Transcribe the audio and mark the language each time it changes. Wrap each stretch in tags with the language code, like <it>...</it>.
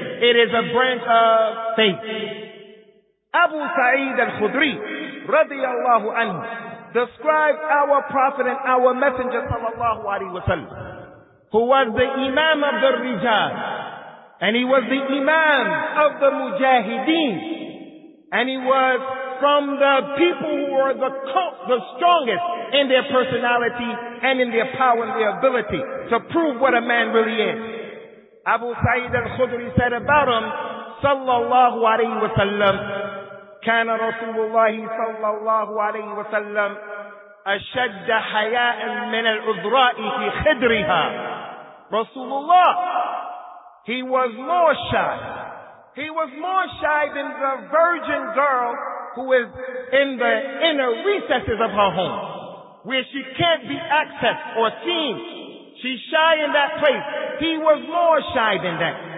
<en>It is a branch of faith. Abu Sa'id al-Khudri</en> <ar>radiallahu anhu</ar> <en>described our Prophet and our Messenger</en> <ar>sallallahu alayhi wa sallam,</ar> <en>who was the Imam of the Rijal, and he was the Imam of the Mujahideen, and he was from the people who were the strongest in their personality and in their power and their ability to prove what a man really is. Abu Sa'id al-Khudri said about him sallallahu alayhi wa sallam,</en> <ar>كان رسول الله صلى الله عليه وسلم أشد حياء من الأذراء في خدرها.</ar> <en>رسول الله, he was more shy. He was more shy than the virgin girl who is in the inner recesses of her home, where she can't be accessed or seen. She's shy in that place. He was more shy than that.</en>